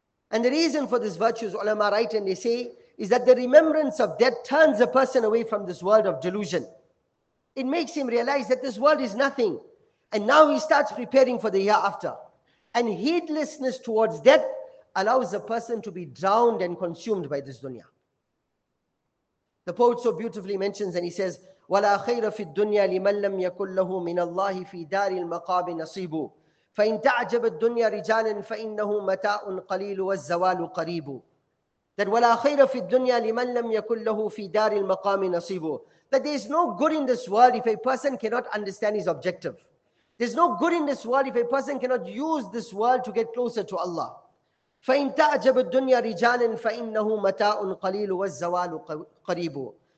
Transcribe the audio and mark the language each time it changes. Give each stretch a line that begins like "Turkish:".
English: And the reason for this virtue is, ulama write and they say, is that the remembrance of death turns a person away from this world of delusion. It makes him realize that this world is nothing. And now he starts preparing for the year after. And heedlessness towards death allows a person to be drowned and consumed by this dunya. The poet so beautifully mentions and he says,
Arabic: وَلَا خَيْرَ فِي الدُّنْيَا لِمَنْ لَمْ يَكُلْ لَهُ مِنَ اللَّهِ فِي دَارِ الْمَقَابِ نَصِيبُ فَإِنْ تَعْجَبَ الدُّنْيَا رِجَالًا فَإِنَّهُ مَتَاءٌ قَلِيلُ وَالزَّوَالُ قَرِيبُ. That وَلَا خَيْرَ فِي الدُّنْيَا لِمَنْ لَمْ يَكُلْ لَهُ فِي دَارِ الْمَقَامِ نَصِيبُ.
English: That there is no good in this world if a person cannot understand his objective. There's no good in this world if a person cannot use this world to get closer to Allah.
Arabic: فَإِنْ تَعْجَبَ الدُّنْيَا رِجَالًا فَإِنَّهُ مَتَاءٌ قَلِيلُ وَالزَّوَالُ قَرِيبُ.